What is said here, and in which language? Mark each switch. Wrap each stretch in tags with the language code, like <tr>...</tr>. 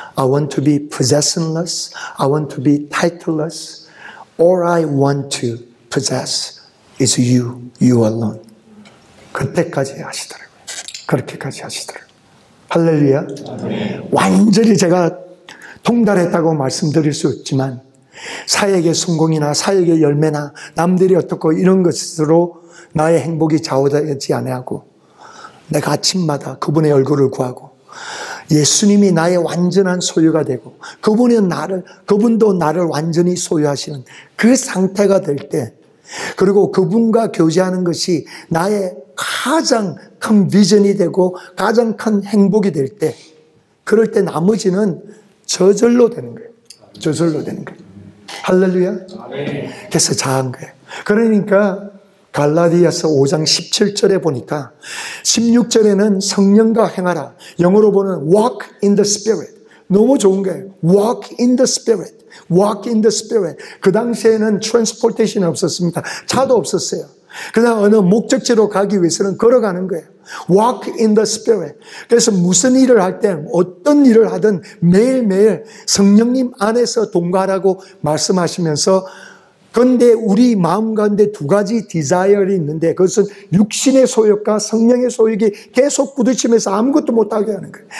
<en>I want to be possessionless. I want to be titleless. All I want to possess It's you, you alone.</en> <ko>그때까지 하시더라고요. 그렇게까지 하시더라고요. 할렐루야. 완전히 제가 통달했다고 말씀드릴 수 없지만 사역의 성공이나 사역의 열매나 남들이 어떻고 이런 것으로 나의 행복이 좌우되지 않냐고 내가 아침마다 그분의 얼굴을 구하고 예수님이 나의 완전한 소유가 되고 그분이 나를 그분도 나를 완전히 소유하시는 그 상태가 될 때 그리고 그분과 교제하는 것이 나의 가장 큰 비전이 되고 가장 큰 행복이 될 때 그럴 때 나머지는 저절로 되는 거예요. 저절로 되는 거예요. 할렐루야. 그래서 자한 거예요. 그러니까 갈라디아서 5장 17절에 보니까 16절에는 성령과 행하라. 영어로 보는</ko> <en>walk in the spirit.</en> <ko>너무 좋은 거예요.</ko> <en>walk in the spirit. walk in the spirit.</en> <ko>그 당시에는 transportation이 없었습니다. 차도 없었어요. 그냥 어느 목적지로 가기 위해서는 걸어가는 거예요.</ko> <en>walk in the spirit.</en> <ko>그래서 무슨 일을 할 때 어떤 일을 하든 매일매일 성령님 안에서 동거하라고 말씀하시면서 근데 우리 마음 가운데 두 가지 디자이어가 있는데 그것은 육신의 소욕과 성령의 소욕이 계속 부딪히면서 아무것도 못하게 하는 거예요.</ko>